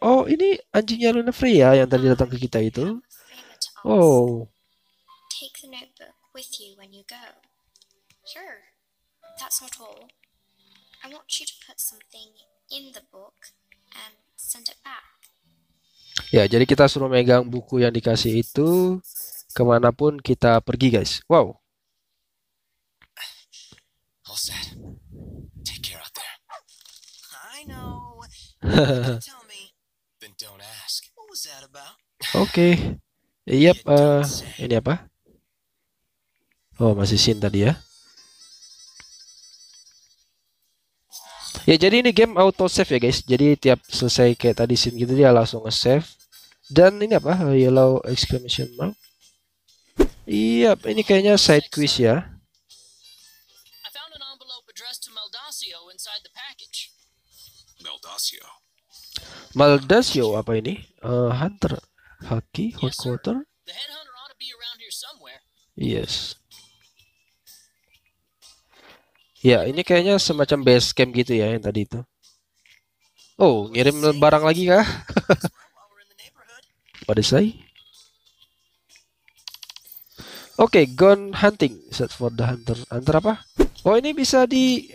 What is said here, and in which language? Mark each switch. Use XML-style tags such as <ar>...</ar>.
<id>Oh, ini anjingnya Luna Freya yang tadi datang ke kita itu. Oh.</id> <en>Take the notebook with you when you go. Sure. That's not all. I want you to put something in the book and send it back.</en> <id>Ya, jadi kita suruh megang buku yang dikasih itu kemanapun kita pergi, guys. Wow.</id> <en>All set. Take care out there. I know. Tell me, but don't ask. What was that about? Oke. Okay. Yep.</en> <id>Ini apa? Oh, masih scene tadi ya. Ya, jadi ini game auto save ya, guys. Jadi tiap selesai kayak tadi scene gitu dia langsung nge-save. Dan ini apa?</id> <en>Yellow exclamation mark.</en> <id>Iya, ini kayaknya side quest ya.</id> <en>I found an envelope addressed to Maldacio inside the package. Maldacio.</en> <id>Maldacio apa ini? Hunter Haki Headquarter.</id> <en>The head hunter ought to be around here somewhere. Yes.</en> <id>Ya, ini kayaknya semacam base camp gitu ya yang tadi itu. Oh, ngirim barang lagi kah? Pada saya.</id> <en>Oke, okay, gone hunting. Set for the hunter. Hunter</en> <id>apa? Oh, ini bisa di...</id>